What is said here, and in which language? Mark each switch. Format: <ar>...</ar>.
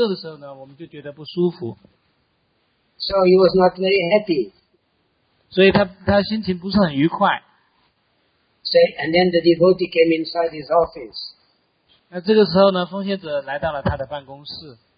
<zh>所以当热的时候呢，当很热炎热的时候呢，我们就觉得不舒服。</zh> <en>So he was not very happy.</en> <zh>所以他心情不是很愉快。</zh> <en>So, and then the devotee came inside his office.</en> <zh>那这个时候呢，奉献者来到了他的办公室。</zh>